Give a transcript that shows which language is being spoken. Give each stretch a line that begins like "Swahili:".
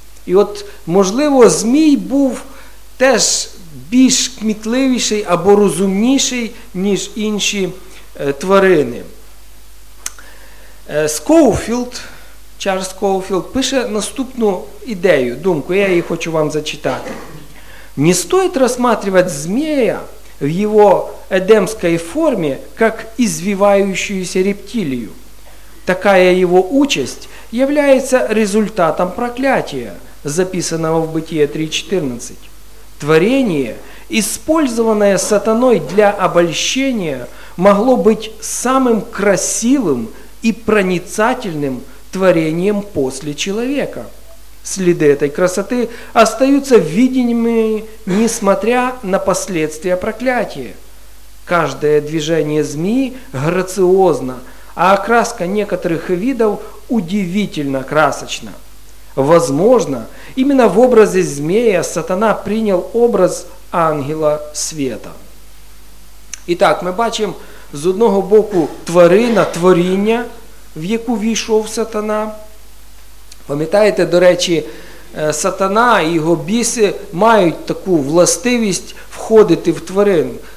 Ukrainian: І от, можливо, змій був теж більш кмітливіший або розумніший, ніж інші тварини. Скоуфілд, Чарльз Скоуфілд, пише наступну ідею, думку, я її хочу вам зачитати.
Russian: «Не стоит рассматривать змея в его эдемской форме, как извивающуюся рептилию. Такая его участь является результатом проклятия, записанного в Бытие 3.14. Творение, использованное сатаной для обольщения, могло быть самым красивым и проницательным творением после человека. Следы этой красоты остаются видимыми, несмотря на последствия проклятия. Каждое движение змеи грациозно, а окраска некоторых видов удивительно красочна. Возможно, именно в образе змея сатана принял образ ангела света».
Ukrainian: Итак, мы бачим, з одного боку, тварина, творіння, в яку війшов сатана. Пам'ятаєте, до речі, сатана і його біси мають таку властивість входити в тварин.